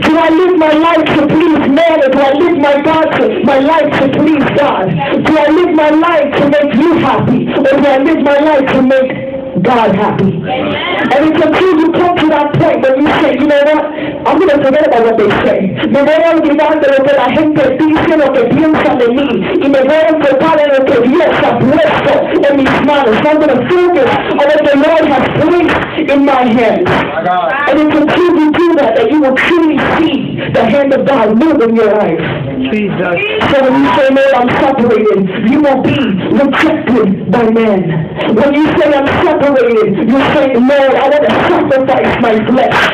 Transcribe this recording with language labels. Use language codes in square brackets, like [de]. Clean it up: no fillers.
[en] Do I live my life to please man or do I live my life to please God? Do I live my life to make you happy or do I live my life to make God happy? And it's until you come to that point where you say, you know what? I'm going to forget about what they say. [es] Me voy a olvidar de lo que la gente dice, lo que piensa de mí. Y me voy a enfocar en lo que Dios ha puesto en mis manos. [en] I'm going to focus on what the Lord has placed in my hands. And it's until you do that, that you will truly see the hand of God move in your life. Jesus. So when you say, Lord, I'm separated, you will be rejected by men. When you say, I'm separated, you say, Lord, I want to sacrifice my flesh.